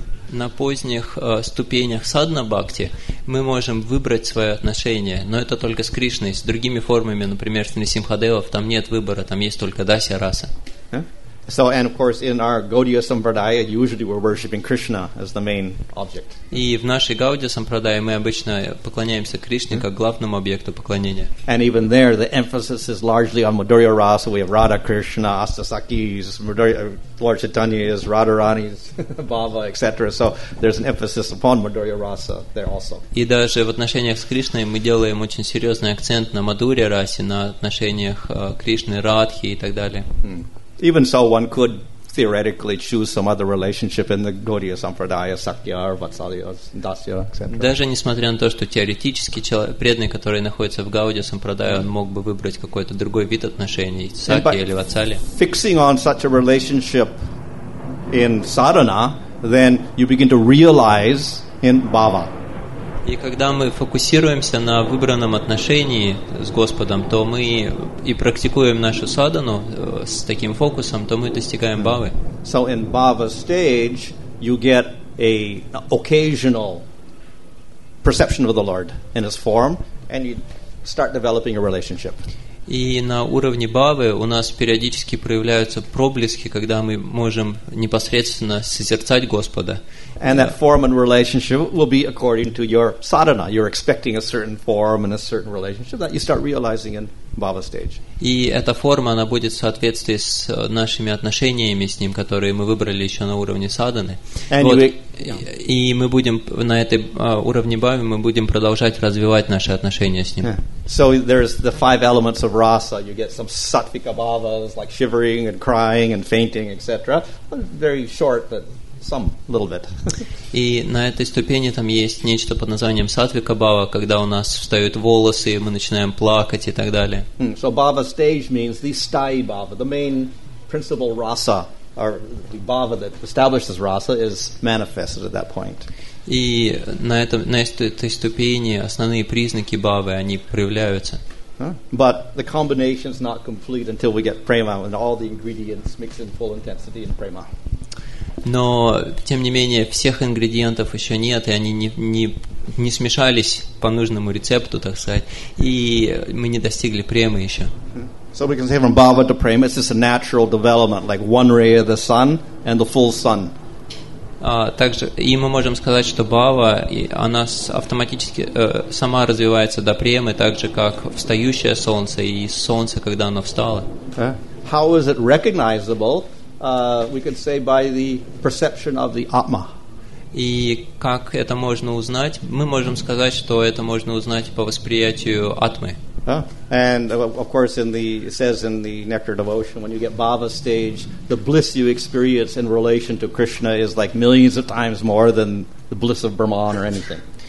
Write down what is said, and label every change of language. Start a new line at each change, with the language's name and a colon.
Russian: На поздних ступенях садна-бхакти мы можем выбрать свое отношение, но это только с Кришной. С другими формами, например, с Нисимхадевов, там нет выбора, там есть только дасья-раса.
English: So, and of course, in our Gaudiya Sampradaya, usually we're worshipping Krishna as the main object.
Russian: И в нашей Гаудия Сампрадайе мы обычно поклоняемся Кришне как главному объекту поклонения.
English: And even there, the emphasis is largely on Madhurya Rasa. We have Radha Krishna, Astasakis, Lord Chaitanya's, Radharani's, Bhava, etc. So, there's an emphasis upon Madhurya Rasa there also.
Russian: И даже в отношениях с Кришной мы делаем очень серьезный акцент на Мадхурья Расе, на отношениях Кришны, Радхи и так далее.
English: Even so, one could theoretically choose some other relationship in the Gaudiya Sampradaya, Sakya, Vatsalya, Dasya, etc.
Russian: Даже несмотря на то, что теоретически преданный, который находится в Гаудия Сампрадая, он мог бы выбрать какой-то другой вид отношений, Сакья или Ватсалья.
English: Fixing on such a relationship in sadhana, then you begin to realize in bhava.
Russian: И когда мы фокусируемся на выбранном отношении с Господом, то мы и практикуем нашу садхану с таким фокусом, то мы достигаем бхавы.
English: So in bhava stage you get a occasional perception of the Lord in his form and you start developing a relationship.
Russian: И на уровне бхавы у нас периодически проявляются проблески, когда мы можем непосредственно созерцать Господа.
English: And that form and relationship will be according to your sadhana. You're expecting a certain form and a certain relationship that you start realizing in bhava stage.
Russian: И эта форма, она будет в соответствии с нашими отношениями с ним, которые мы выбрали еще на уровне садханы. И мы будем на этой уровне бхавы, мы будем продолжать развивать наши отношения с ним.
English: So there's the five elements of rasa. You get some sattvika bhavas, like shivering and crying and fainting, etc. Very short, but some little bit.
Russian: И на этой ступени там есть нечто под названием сатвика бхава, когда у нас встают волосы, мы начинаем плакать и так далее.
English: So bhava stage means the sthayi bhava, the main principle rasa, or the bhava that establishes rasa is manifested at that point.
Russian: И на этой ступени основные признаки бхавы, они проявляются.
English: But the combination is not complete until we get prema and all the ingredients mix in full intensity in prema.
Russian: Но, тем не менее, всех ингредиентов еще нет, и они не смешались по нужному рецепту, так сказать, и мы не достигли премы еще.
English: So we can say from bhava to prema, it's just a natural development, like one ray of the sun and the full sun.
Russian: Также, и мы можем сказать, что бхава, она автоматически сама развивается до премы, так же, как встающее солнце и солнце, когда оно встало.
English: How is it recognizable? We could say by the perception of the atma.
Russian: И как это можно узнать? Мы можем сказать, что это можно узнать по восприятию атмы.
English: And of course, it says in the Nectar Devotion, when you get bhava stage, the bliss you experience in relation to Krishna is like millions of times more than the bliss of Brahman or anything.